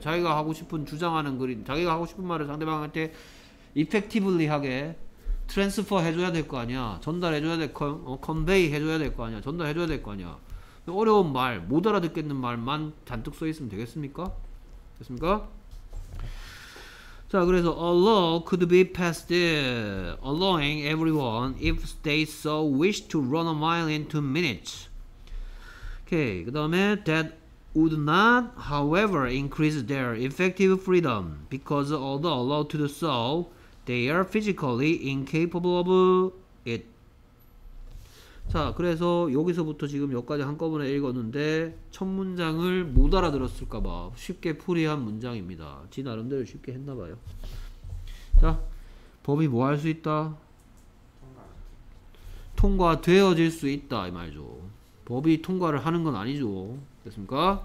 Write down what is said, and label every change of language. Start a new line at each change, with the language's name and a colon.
Korean: 자기가 하고 싶은 주장하는 글이 자기가 하고 싶은 말을 상대방한테 effectively하게 transfer 해줘야 될 거 아니야? 전달해줘야 될 거, convey 해줘야 될 거 아니야? 전달해줘야 될 거 아니야? 어려운 말 못 알아듣겠는 말만 잔뜩 써 있으면 되겠습니까? 됐습니까? 자 그래서
English: a law could be passed allowing everyone if they so wish to run a mile in 2 minutes.
Korean: 오케이 그 다음에
English: that would not however increase their effective freedom because although allowed to do so they are physically incapable of it.
Korean: 자 그래서 여기서부터 지금 여기까지 한꺼번에 읽었는데 첫 문장을 못 알아들었을까봐 쉽게 풀이한 문장입니다. 지 나름대로 쉽게 했나봐요. 자 법이 뭐 할 수 있다? 통과되어질 수 있다 이 말이죠. 법이 통과를 하는 건 아니죠. 됐습니까?